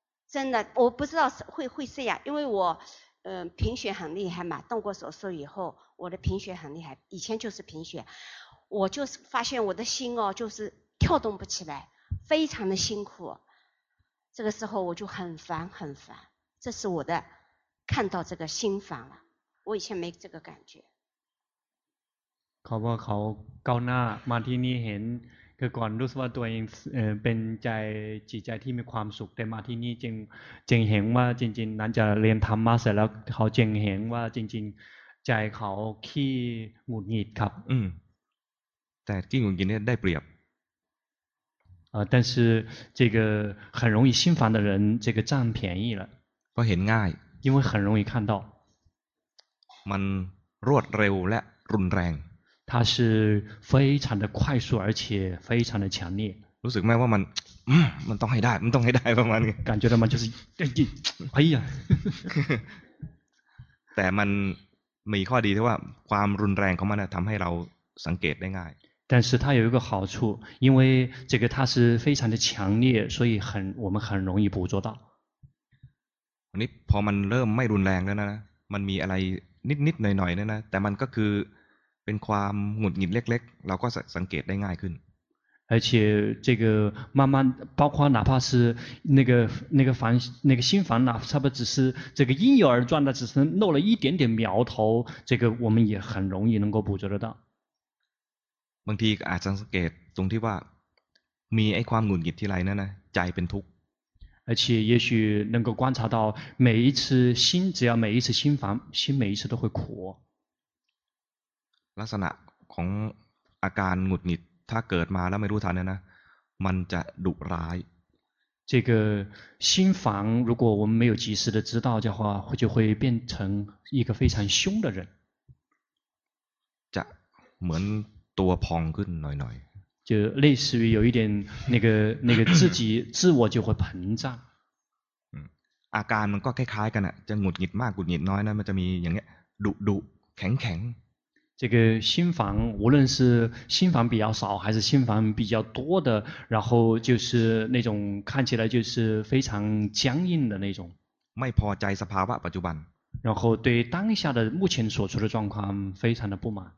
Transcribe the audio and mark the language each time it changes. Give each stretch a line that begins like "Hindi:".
Chinese: 真的我不知道会这样因为我贫血很厉害嘛动过手术以后我的贫血很厉害以前就是贫血我就是发现我的心哦就是跳动不起来非常的辛苦这个时候我就很烦很烦这是我的看到这个心烦了我以前没这个感觉
Thai: เขาบอกเขาก้าวหน้ามาที่นี่เห็นคือก่อนรู้สึกว่าตัวเองเป็นใจจิตใจที่มีความสุขแต่มาที่นี่จึงเห็นว่าจริงๆนั้นจะเรียนธรรมะเสร็จแล้วเขาจึงเห็นว่าจริงๆใจเขาขี้หงุดหงิดครับ แต่ขี้หงุดหงิดเนี่ยได้เปรียบ
Chinese: 但是这个很容易心烦的人这个占便宜了
Thai: เพราะเห็นง่าย
Chinese: 因为很容易看到
Thai: มันรวดเร็วและรุนแรง
Chinese: 它是非常的快速而且非常的强烈。
Thai: รู้สึกไหมว่ามันมันต้องให้ได้มันต้องให้ได้ประมาณนี้
Chinese: 感觉到吗就是哎呀哎呀
Thai: แต่มันมีข้อดีที่ว่าความรุนแรงของมันทำให้เราสังเกตได้ง่าย
Chinese: 但是它有一个好处因为这个它是非常的强烈所以很我们很容易捕捉到
Thai: วันนี้พอมันเริ่มไม่รุนแรงแล้วนะมันมีอะไรนิดๆหน่อยๆนะแต่มันก็คือเป็นความหงุดหงิดเล็กๆเราก็สังเกตได้ง่ายขึ้น
Chinese: 而且这个慢慢包括哪怕是那个烦那个心烦恼差不多只是这个婴幼儿状的只是漏了一点点苗头这个我们也很容易能够捕捉得到
Thai: บางทีอาจจะสังเกตตรงที่ว่ามีไอ้ความหงุดหงิดที่ไรนั่นนะใจเป็นทุกข์
Chinese: 而且也许能够观察到每一次心只要每一次心烦心每一次都会苦
Thai: ลักษณะของอาการหงุดหงิดถ้าเกิดมาแล้วไม่รู้ทันเนี่ยนะมันจะดุร้าย
Chinese: 这个心烦如果我们没有及时的知道的话就会变成一个非常凶的人
Thai: จะเหมือนตัวพองขึ้นหน่อยๆ
Chinese: 就类似于有一点那个自己自我就会膨胀
Thai: อาการมันก็คล้ายๆกันอ่ะจะหงุดหงิดมากหงุดหงิดน้อยนะมันจะมีอย่างเงี้ยดุดุแข็งแข็ง
Chinese: 这个心烦无论是心烦比较少还是心烦比较多的然后就是那种看起来就是非常僵硬的那种
Thai: ไม่พอใจสภาวะปัจจุบัน
Chinese: 然后对当下的目前所处的状况非常的不满